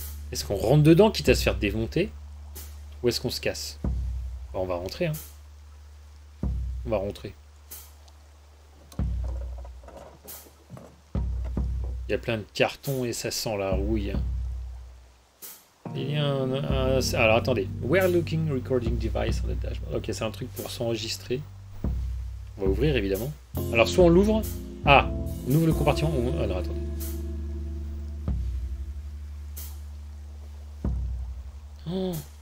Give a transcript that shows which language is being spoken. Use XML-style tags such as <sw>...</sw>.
<fr>Est-ce qu'on rentre dedans, quitte à se faire démonter? Ou est-ce qu'on se casse? On va rentrer, hein. On va rentrer. Y a plein de cartons et ça sent la rouille. Il y a un. Alors attendez.</fr> <en>We're looking recording device on the dashboard.</en> <fr>Ok, c'est un truc pour s'enregistrer. On va ouvrir évidemment. Alors soit on l'ouvre. Ah, on ouvre le compartiment. Alors attendez. Oh.</fr>